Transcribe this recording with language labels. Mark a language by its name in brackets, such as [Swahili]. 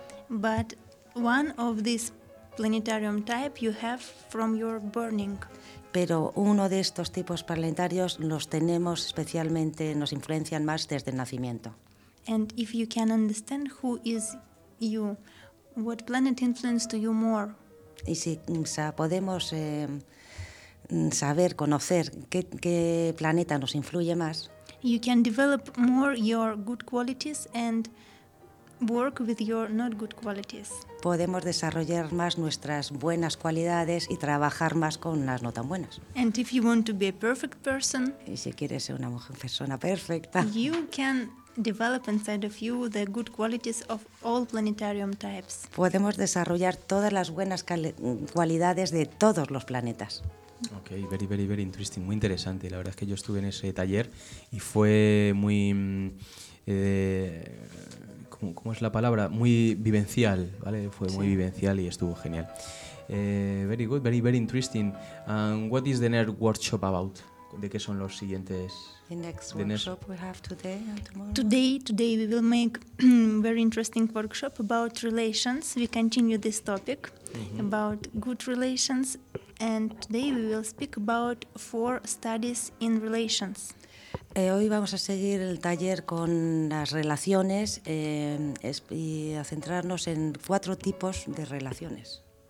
[English] But one of this planetarium type you have from your burning. [Spanish] Pero uno de estos tipos planetarios los tenemos especialmente, nos influencian más desde el nacimiento. [English] And if you can understand who is you, what planet influences you more? [Spanish] Y si podemos saber, conocer qué planeta nos influye más. [English] You can develop more your good qualities and work with your not good qualities. [Spanish] Podemos desarrollar más nuestras buenas cualidades y trabajar más con las no tan buenas. [English] And if you want to be a perfect person, [Spanish] y si quieres ser una persona perfecta, [English] you can develop inside of you the good qualities of all planetarium types. [Spanish] Podemos desarrollar todas las buenas cualidades de todos los planetas. [English] Okay, very, very, very interesting, [Spanish] muy interesante. La verdad es que yo estuve en ese taller y fue muy ¿cómo es la palabra? Muy vivencial, ¿vale? Fue muy vivencial y estuvo genial. [English] Very good, very, very interesting. What is the next workshop about? [Spanish] ¿De qué son los siguientes? [English] The next workshop we have today and tomorrow. Today we will make very interesting workshop about relations. We continue this topic about good relations, and today we will speak about four studies in relations. [Spanish] Hoy vamos a seguir el taller con las relaciones y a centrarnos en cuatro tipos de relaciones.